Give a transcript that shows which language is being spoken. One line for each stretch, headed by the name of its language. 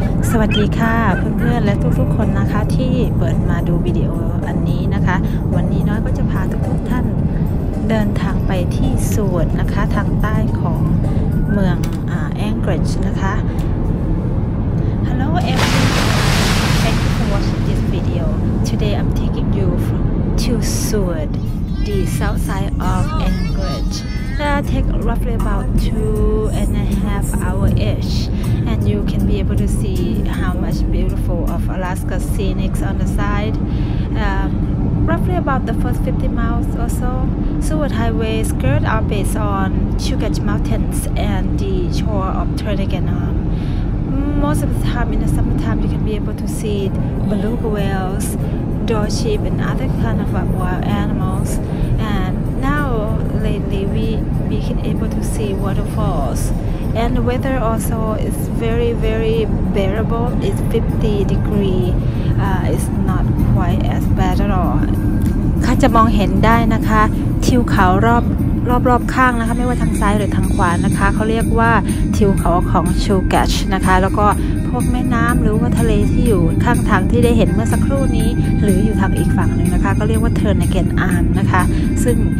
Thai: สวัสดีค่ะเพื่อนๆและทุกๆคนนะคะที่เปิดมาดูวิดีโออันนี้นะคะวันนี้น้อยก็จะพาทุกๆท่านเดินทางไปที่สวดนะคะทางใต้ของเมืองแองเกรจนะคะ
English: Hello everyone, thank you for watching this video. Today I'm taking you from to Seward, the south side of Anchorage. That take roughly about 2.5 hours-ish, and you can be able to see how much beautiful of Alaska scenic on the side. Roughly about the first 50 miles or so, Seward Highway skirts are based on Chugach Mountains and the shore of Turtigannon. Most of the time in the summertime, you can be able to see beluga whales, dor sheep, and other kind of wild animals. And now lately, we be able to see waterfalls. And the weather also is very, very bearable. It's 50 degrees. It's not quite as bad at all.
Thai: ค่ะจะมองเห็นได้นะคะทิวเขารอบข้างนะคะไม่ว่าทางซ้ายหรือทางขวานะคะเขาเรียกว่าทิวเขาของชูแกชนะคะแล้วก็พวกแม่น้ำหรือว่าทะเลที่อยู่ข้างทางที่ได้เห็นเมื่อสักครู่นี้หรืออยู่ทางอีกฝั่งหนึ่งนะคะก็เรียกว่าเทิร์นในเกนอาร์มนะคะซึ่ง